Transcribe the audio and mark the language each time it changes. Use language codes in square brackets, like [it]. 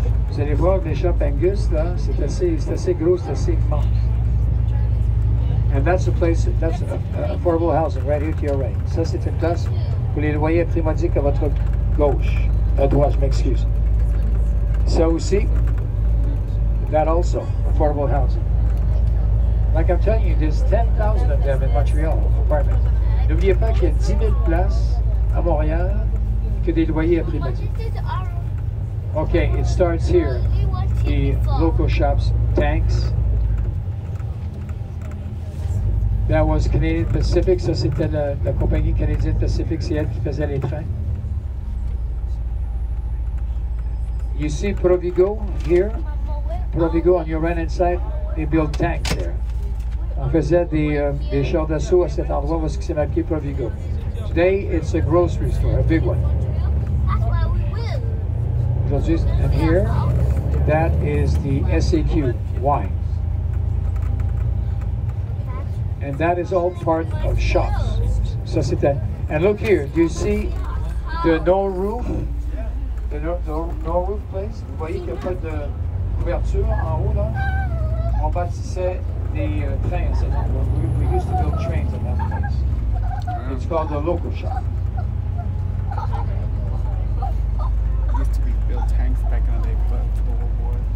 [fr] Vous allez voir les Shop Angus, là, c'est assez gros, c'est assez immense. [en] And that's a place, that's affordable housing, right here to your right. [fr] Ça, c'est une place pour les loyers prix modiques à votre gauche. À droite, je m'excuse. Ça aussi, [en] that also, affordable housing. Like I'm telling you, there's 10,000 of them in Montreal, apartments. [fr] N'oubliez pas qu'il y a 10 000 places à Montréal que des loyers à prix modiques. [en] Okay, it starts here. The local shops, tanks. That was Canadian Pacific, [fr] ça c'était la compagnie Canadian Pacific, c'est elle qui faisait les trains. [en] You see Provigo here? Provigo on your right hand side, they built tanks there. [fr] On faisait des chars d'assaut à cet endroit parce que c'est marqué Provigo. [en] Today it's a grocery store, a big one. And here, that is the SAQ, why? And that is all part of shops. [fr] Ça, c'est ça. [en] And look here, do you see the no roof? The no roof place? [fr] Vous voyez qu'il n'y a pas de couverture en haut, là? On bâtissait des trains à cet endroit. [en] We used to build trains at that place. It's called the local shop. It used to be built tanks back in the day, but the whole war.